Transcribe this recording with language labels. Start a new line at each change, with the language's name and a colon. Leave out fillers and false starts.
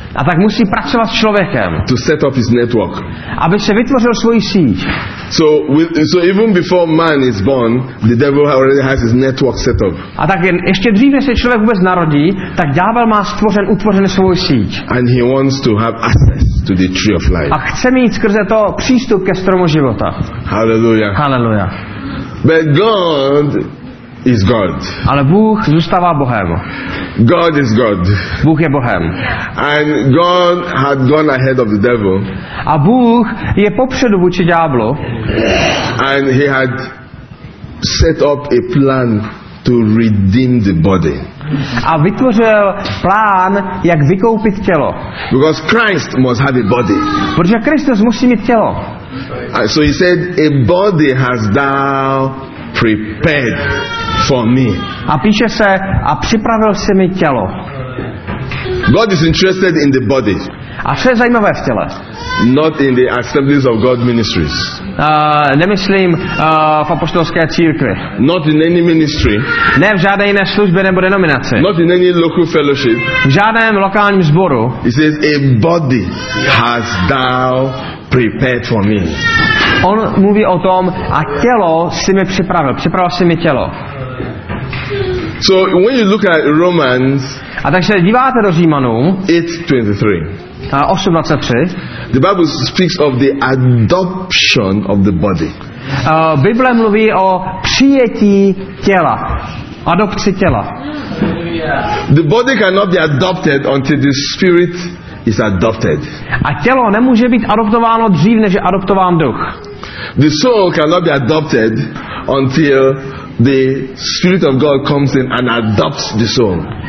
Czech: A tak musí pracovat s člověkem.
English: To set up his network.
Czech: Aby se vytvořil svoji síť.
English: So even before man is born, the devil already has his network set up.
Czech: A tak ještě dřív, než se člověk vůbec narodí, tak ďábel má utvořen svou síť.
English: And he wants to have access to the tree of life.
Czech: A chce mít skrze to přístup ke stromu života.
English: Hallelujah.
Czech: Hallelujah.
English: But God is God.
Czech: Ale Bůh zůstává Bohem.
English: God is God.
Czech: Bůh je Bohem.
English: And God had gone ahead of the devil.
Czech: A Bůh je popředu vůči ďáblu.
English: And he had set up a plan to redeem the body.
Czech: A vytvořil plán, jak vykoupit tělo.
English: Because Christ must have a body.
Czech: Protože Kristus musí mít tělo.
English: And so he said, a body has thou prepared for me.
Czech: A píše se, a připravil jsi mi tělo.
English: God is interested in the body.
Czech: A co je zajímavé v těle?
English: Not in the assemblies of God ministries.
Czech: Nemyslím v apoštolské církvi.
English: Not in any ministry.
Czech: Ne v žádné jiné službě nebo denominaci.
English: Not in any local fellowship.
Czech: V žádném lokálním sboru.
English: He says, a body has thou prepared for me.
Czech: On mluví o tom, a tělo si mi připravil. Připravil si mi tělo.
English: So when you look at Romans,
Czech: a tak se díváte do Římanů,
English: 8:23. The Bible speaks of the adoption of the body.
Czech: Bible mluví o přijetí těla. Adopci těla.
English: The body cannot be adopted until the spirit is adopted.
Czech: A tělo nemůže být adoptováno dřív, než je adoptován duch.
English: The soul cannot be adopted until the spirit of God comes in and adopts the soul.